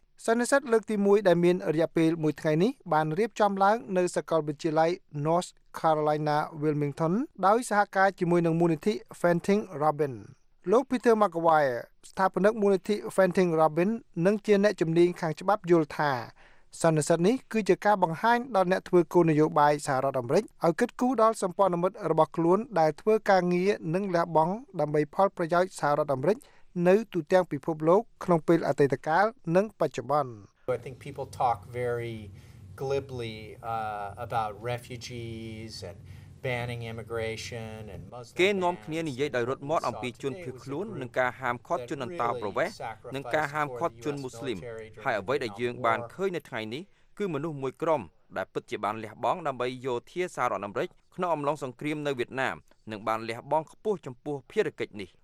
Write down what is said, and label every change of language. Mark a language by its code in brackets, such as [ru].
[km] សន្និសីទលើកទី1ដែលមានរយៈពេល1ថ្ងៃនេះបានរៀបចំឡើងនៅសាកលវិទ្យាល័យ North Carolina Wilmington ដោយសហការជាមួយនឹងមូលនិធិ Fenton Robin លោក Peter McGuire ស្ថាបនិកមូលនិធិ Fenton Robin និងជាអ្នកជំនាញខាងច្បាប់យល់ថា សន្និសីទនេះគឺជាការបង្ហាញដល់អ្នកធ្វើគោលនយោបាយសហរដ្ឋអាមេរិកឲ្យគិតគូរដល់សម្ព័ន្ធមិត្តរបស់ខ្លួនដែលធ្វើការងារនិងលះបង់ដើម្បីផលប្រយោជន៍សហរដ្ឋអាមេរិកនៅទូទាំងពិភពលោកក្នុងពេលអតីតកាលនិងបច្ចុប្បន្ន [en] I think people talk very glibly about refugees andbanning immigration and Muslims [km] គេនាំគ្នានិយាយដោយរត់មាត់អំពីជនភៀសខ្លួននិងការហាមឃាត់ជនអន្តោប្រវេសន៍និងការហាមឃាត់ជនមូស្លីមហើយអ្វីដែលយើងបានឃើញនៅថ្ងៃនេះគឺមនុស្សមួយក្រុមដែលពិតជាបានលះបង់ដើម្បីយោធាសហរដ្ឋអាមេរិកក្នុងអំឡុងសង្គ្រាមនៅវៀតណាមនិងបានលះបង់ខ្ពស់ចំពោះភារកិច្ចនេះ